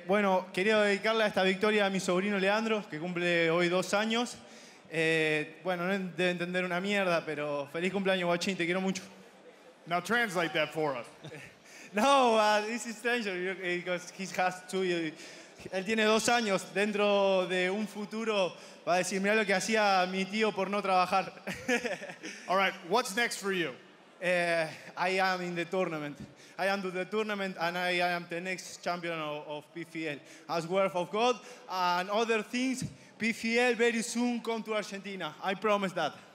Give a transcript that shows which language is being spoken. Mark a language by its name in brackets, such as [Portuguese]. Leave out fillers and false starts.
[Spanish] Bueno, quería dedicarle esta victoria a mi sobrino Leandro, que cumple hoy 2 años. Bueno, no debe entender una mierda, pero feliz cumpleaños, guachín, te quiero mucho. [English] Now translate that for us. No, this is strange, because he has two. [Spanish] Él tiene 2 años. Dentro de un futuro va a decir, mira lo que hacía mi tío por no trabajar. [English] All right, what's next for you? I am in the tournament. I am to the tournament, and I am the next champion of PFL. As word of God and other things, PFL very soon come to Argentina. I promise that.